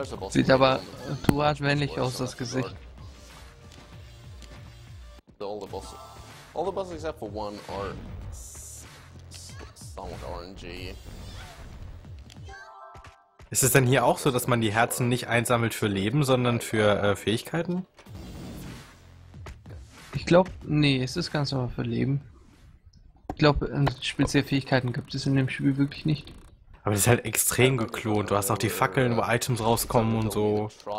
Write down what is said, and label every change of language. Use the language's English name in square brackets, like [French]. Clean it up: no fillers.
[German] Sieht aber zu hart männlich aus, das Gesicht. [English] All the bosses except for one are somewhat RNG. [German] Ist es denn hier auch so, dass man die Herzen nicht einsammelt für Leben, sondern für Fähigkeiten? Ich glaube, nee, es ist ganz normal für Leben. Ich glaube, spezielle Fähigkeiten gibt es in dem Spiel wirklich nicht. Aber das ist halt extrem geklont. Du hast auch die Fackeln, wo Items rauskommen und so.